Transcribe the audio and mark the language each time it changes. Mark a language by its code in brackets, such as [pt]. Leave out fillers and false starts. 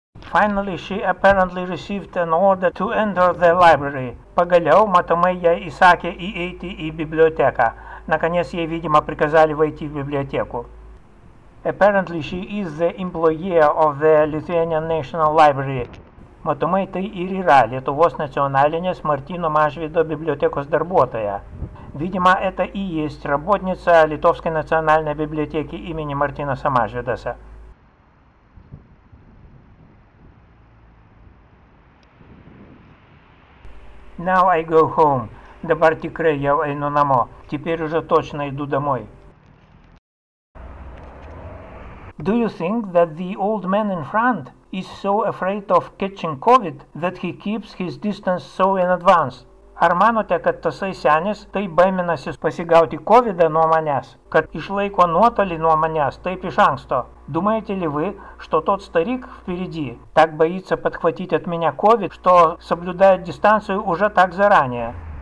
[en] Finally, she apparently received an order to enter the library. [lt] Pagaliau, matomai, jai įsakė įeiti į biblioteką. [ru] Наконец, [lt] jai, [ru] видимо, приказали войти в библиотеку. [en] Apparently, she is the employee of the Lithuanian National Library. [lt] Matomai, tai ir yra Lietuvos nacionalinės Martino Mažvydo bibliotekos darbuotoja. [ru] Видимо, это и есть работница Литовской национальной библиотеки имени Мартинаса Мажвидаса. [en] Now I go home. [lt] Dabar tikrai jau einu namo. [ru] Теперь уже точно иду домой. [en] Do you think that the old man in front is so afraid of catching COVID that he keeps his distance so in advance? [lt] Ar manote, kad tasai senis taip baiminasi pasigauti COVID nuo manęs, kad išlaiko nuotolį nuo manęs taip iš anksto? [ru] Думаете ли вы, что тот старик впереди так боится подхватить от меня COVID, что соблюдает дистанцию уже так заранее?